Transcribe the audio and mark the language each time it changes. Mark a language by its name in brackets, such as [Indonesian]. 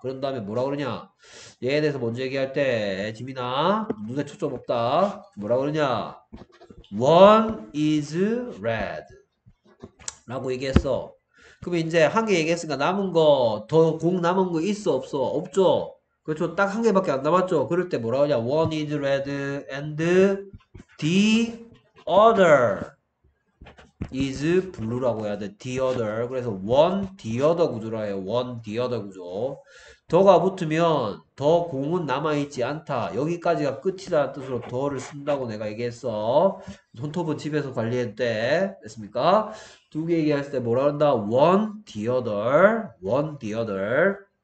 [Korean] 그런 다음에 뭐라고 그러냐? 얘에 대해서 먼저 얘기할 때, 지민아, 눈에 초점 없다. 뭐라고 그러냐? [English] One is red. [Korean] 라고 얘기했어. 그럼 이제 한개 얘기했으니까 남은 거, 더공 남은 거 있어, 없어? 없죠? 그렇죠. 딱한 개밖에 안 남았죠. 그럴 때 뭐라고 하냐? [English] One is red and the other is blue [Korean] 라고 해야 돼. The other. 그래서 one, the other 구조라 해요. One, the other 구조. 더가 붙으면 더 공은 남아있지 않다. 여기까지가 끝이다 뜻으로 더를 쓴다고 내가 얘기했어. 손톱은 집에서 관리해도 돼. 됐습니까? 두개 얘기했을 때 뭐라 한다? [English] One, the other. One, the other.